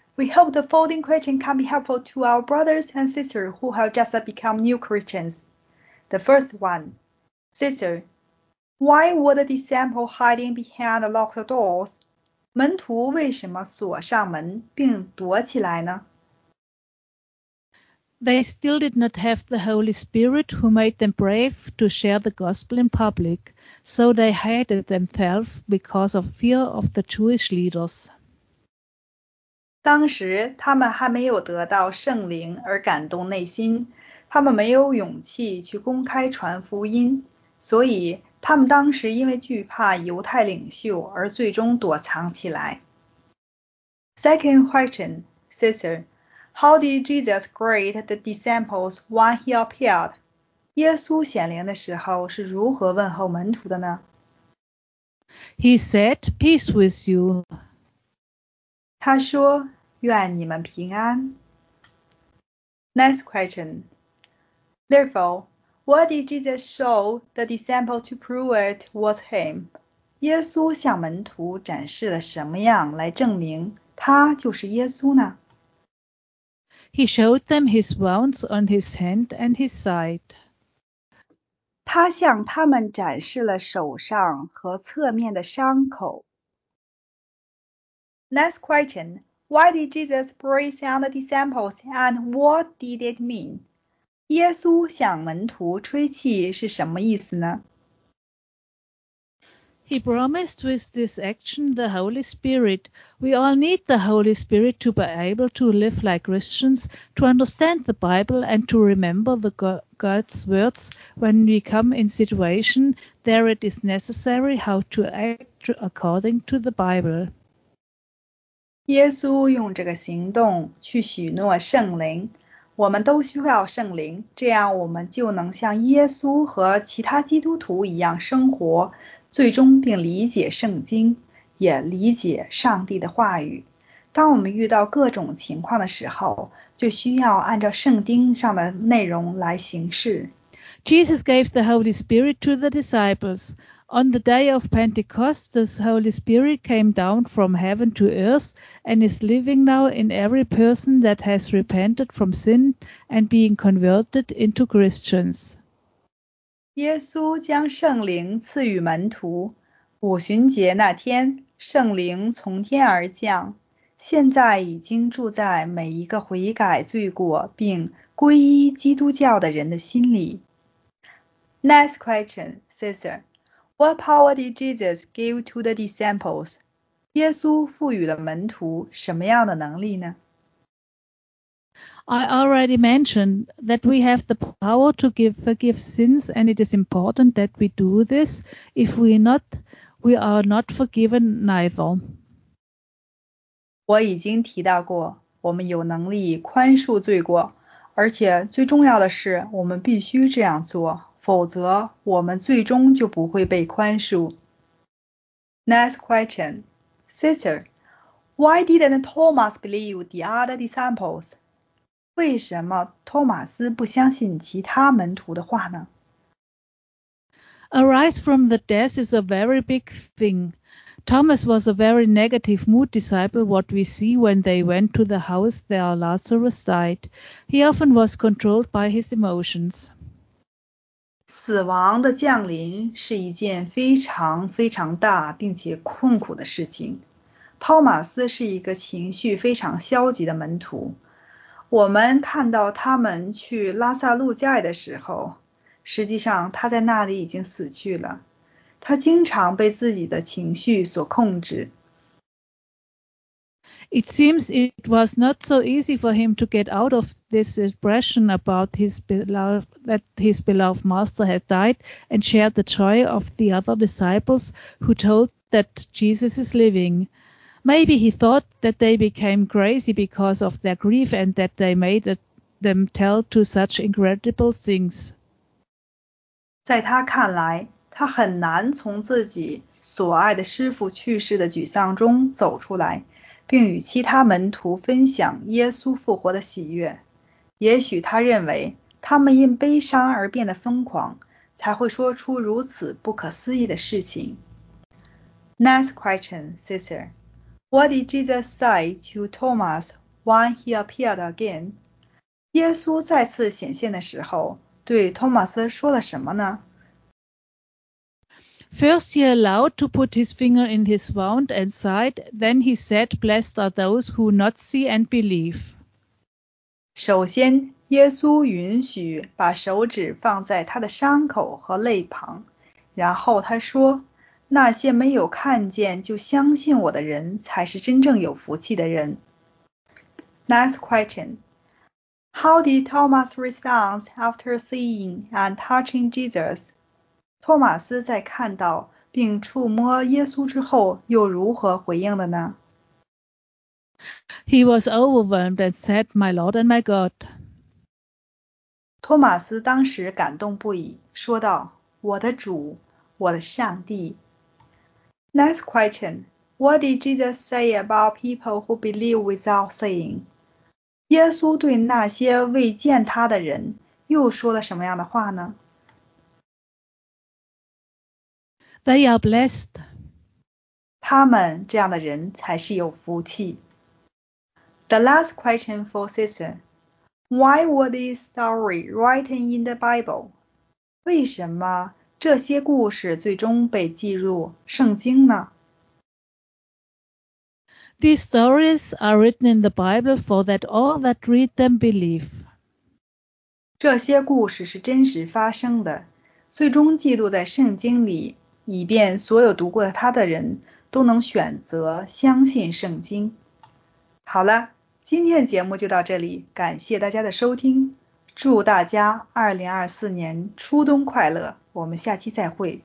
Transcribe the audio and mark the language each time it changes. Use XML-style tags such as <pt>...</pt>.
<en>We hope the following question can be helpful to our brothers and sisters who have just become new Christians. The first one, sister, why were the disciples hiding behind locked doors?</en> <zh>门徒为什么锁上门并躲起来呢？</zh> <en>They still did not have the Holy Spirit who made them brave to share the gospel in public, so they hated themselves because of fear of the Jewish leaders.</en> <zh>当时他们还没有得到圣灵而感动内心，他们没有勇气去公开传福音，所以他们当时因为惧怕犹太领袖而最终躲藏起来。</zh> <en>Second question, sister. How did Jesus greet the disciples when he appeared?</en> <zh>耶稣显灵的时候是如何问候门徒的呢？</zh> <en>He said, Peace with you.</en> <zh>他说，愿你们平安。</zh> <en>Next question. Therefore, what did Jesus show the disciples to prove it was him?</en> <zh>耶稣向门徒展示了什么样来证明他就是耶稣呢？</zh> <en>He showed them his wounds on his hand and his side.</en> <zh>他向他们展示了手上和侧面的伤口。</zh> <en>Next question. Why did Jesus praise the disciples and what did it mean?</en> <zh>耶稣向门徒吹气是什么意思呢？</zh> <en>He promised with this action the Holy Spirit. We all need the Holy Spirit to be able to live like Christians, to understand the Bible and to remember the God's words when we come in situation there it is necessary how to act according to the Bible.</en> <zh>耶稣用这个行动去许诺圣灵，我们都需要圣灵，这样我们就能像耶稣和其他基督徒一样生活，最终并理解圣经，也理解上帝的话语。当我们遇到各种情况的时候，就需要按照圣经上的内容来行事。</zh> <en>Jesus gave the Holy Spirit to the disciples. On the day of Pentecost, the Holy Spirit came down from heaven to earth and is living now in every person that has repented from sin and being converted into Christians.</en> <zh>耶稣将圣灵赐予门徒，五旬节那天，圣灵从天而降，现在已经住在每一个悔改罪过并皈依基督教的人的心里。</zh> <en>Next question, sister. What power did Jesus give to the disciples?</en> <zh>耶稣赋予了门徒什么样的能力呢？</zh> <en>I already mentioned that we have the power to forgive sins and it is important that we do this. If we not, we are not forgiven neither.</en> <zh>我已经提到过，我们有能力宽恕罪过，而且最重要的是我们必须这样做，否则我们最终就不会被宽恕。</zh> <en>Next question. Sister, why didn't Thomas believe the other disciples?</en> <zh>为什么托马斯不相信其他门徒的话呢？</zh> <en>Arise from the death is a very big thing. Thomas was a very negative mood disciple, what we see when they went to the house there Lazarus died. He often was controlled by his emotions.</en> <zh>死亡的降临是一件非常非常大并且困苦的事情。托马斯是一个情绪非常消极的门徒。我们看到他们去拉萨路家的时候，实际上他在那里已经死去了。他经常被自己的情绪所控制。</zh> <en>It seems it was not so easy for him to get out of this depression about his beloved master had died and shared the joy of the other disciples who told that Jesus is living. Maybe he thought that they became crazy because of their grief and that they made them tell to such incredible things.</en> <zh>在他看来，他很难从自己所爱的师父去世的沮丧中走出来，并与其他门徒分享耶稣复活的喜悦。也许他认为他们因悲伤而变得疯狂，才会说出如此不可思议的事情。</zh> <en>Next question, sister. What did Jesus say to Thomas when he appeared again?</en> <zh>耶稣再次显现的时候，对托马斯说了什么呢？</zh> <en>First he allowed to put his finger in his wound and side, then he said, blessed are those who not see and believe.</en> <zh>首先，耶稣允许把手指放在他的伤口和肋旁，然后他说，那些没有看见就相信我的人才是真正有福气的人。</zh> <en>Next question. How did Thomas respond after seeing and touching Jesus?</en> <zh>托马斯在看到并触摸耶稣之后又如何回应的呢？</zh> <en>He was overwhelmed and said, My Lord and my God.</en> <zh>托马斯当时感动不已，说道，我的主，我的上帝。</zh> <en>Next question. What did Jesus say about people who believe without seeing?</en> <zh>耶稣对那些未见他的人又说了什么样的话呢？</zh> <en>They are blessed.</en> <zh>他们这样的人才是有福气。</zh> <en>The last question for sister. Why were these stories written in the Bible?</en> <zh>为什么这些故事最终被记入圣经呢？</zh> <en>These stories are written in the Bible for that all that read them believe.</en> <zh>这些故事是真实发生的，最终记录在圣经里，以便所有读过它的人都能选择相信圣经。好了，今天的节目就到这里，感谢大家的收听，祝大家2024年初冬快乐，我们下期再会。</zh>